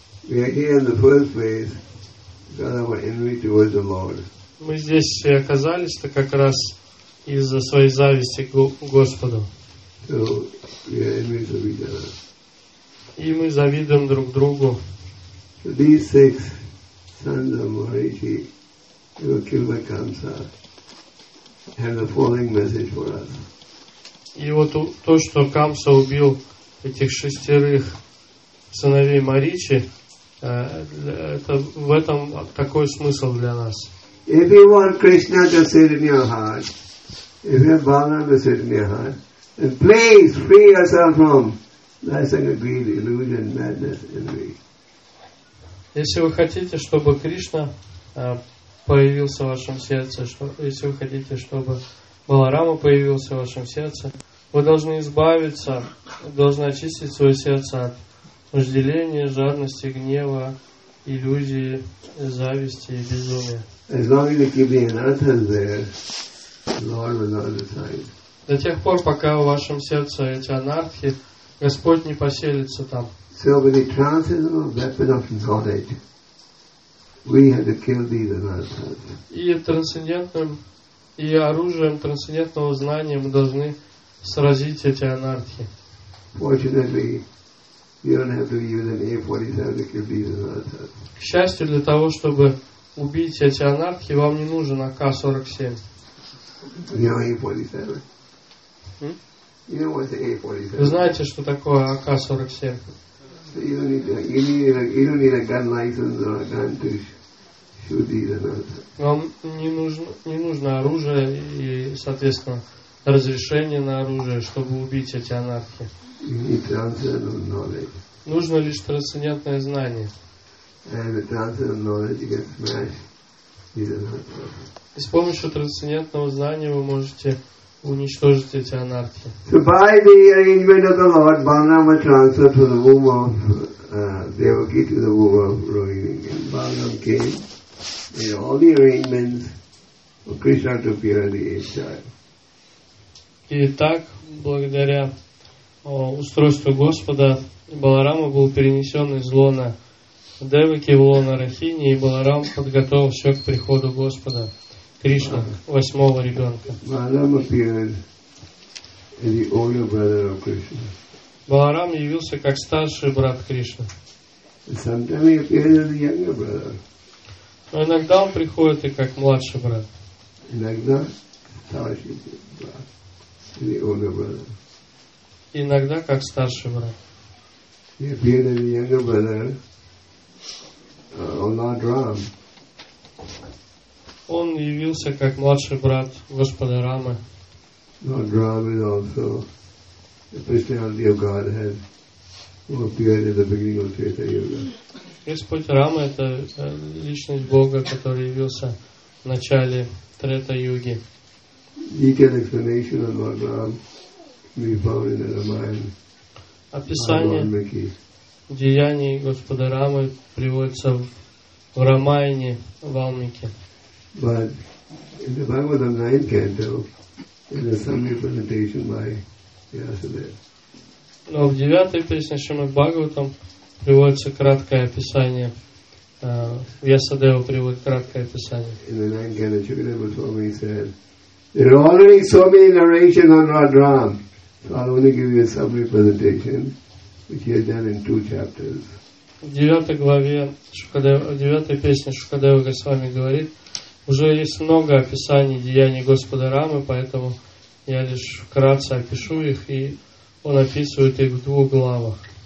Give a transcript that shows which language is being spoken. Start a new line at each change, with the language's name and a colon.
English: We are here in the first place. Got our envy towards the Lord.
Russian: Мы здесь оказались-то как раз из-за своей зависти к Господу.
English: So we are envious of each other.
Russian: И мы завидуем друг другу.
English: So these six sons of Maharishi, who were killed by Kamsa, have the following message for us.
Russian: И вот то, что Камса убил этих шестерых сыновей Маричи. Это, в этом такой смысл для нас.
English: If you want Krishna to sit in your heart, if you want Balaram to sit in your heart, then please free yourself from lusting, greed, illusion, madness, envy.
Russian: Если вы хотите, чтобы Кришна появился в вашем сердце, если вы хотите, чтобы Баларама появился в вашем сердце, вы должны избавиться, должны очистить свое сердце от вожделение, жадности, гнева, иллюзии, зависти и безумия.
English: As long as you keep the anarthas there, Lord will not decide.
Russian: До тех пор, пока в вашем сердце эти анархи, Господь не поселится там.
English: So with the transcendental weapon of knowledge, we have to kill these anarthas.
Russian: И трансцендентным, и оружием трансцендентного знания мы должны сразить эти анархи.
English: Fortunately, you don't have to use an A-47 to kill these anarchists.
Russian: К счастью, для того, чтобы убить эти анархи, вам не нужен АК-47.
English: You know A-47? You know what's A-47?
Russian: Вы знаете, что такое АК-47?
English: So you don't need a gun license or a gun to shoot these anarchists.
Russian: Вам не нужно оружие и, соответственно, разрешение на оружие, чтобы убить эти анархи.
English: You need transcendental knowledge.
Russian: Нужно лишь трансцендентное знание.
English: And with transcendental knowledge you can smash these anarchy.
Russian: И с помощью трансцендентного знания вы можете уничтожить эти анархи.
English: So by the arrangement of the Lord, Balarama transferred from the womb of Devaki to the womb of Rohini. And Balarama came, made all the arrangements for Krishna to appear in the eighth child.
Russian: И так, благодаря устройству Господа, Баларама был перенесен из лона Девыки в лона Рахини, и Баларам подготовил все к приходу Господа Кришна, восьмого ребенка.
English: Баларама appeared as the older brother of Krishna.
Russian: Баларам явился как старший брат Кришны. Но иногда он приходит и как младший брат. Иногда старший брат. Или
English: older brother.
Russian: Иногда как старший брат.
English: He appeared as a younger brother on Lord Ram.
Russian: Он явился как младший брат Господа Рамы.
English: Lord Ram is also the personality of Godhead who appeared at the beginning of Treta Yuga.
Russian: Господь Рама – это личность Бога, который явился в начале Трета Юги.
English: Detailed explanation of Lord Ram we found in the Ramayana.
Russian: Описание деяний Господа Рамы приводится в Рамайне Валмике.
English: But in the Bhagavatam 9th canto, there is some representation by Vyasadeva.
Russian: Но в 9-й песне Шримад Бхагаватам приводится краткое описание. Вьясадева приводит краткое описание.
English: In the 9th canto, Shukadeva Swami said, there are already so many narrations on Lord Ram. So I'll only give you a summary presentation, which he has done in two chapters.
Russian: В 9 главе, в 9 песне Шукадева Госвами говорит, уже есть много описаний деяний Господа Рамы, поэтому я лишь вкратце опишу их, и он описывает их в двух главах.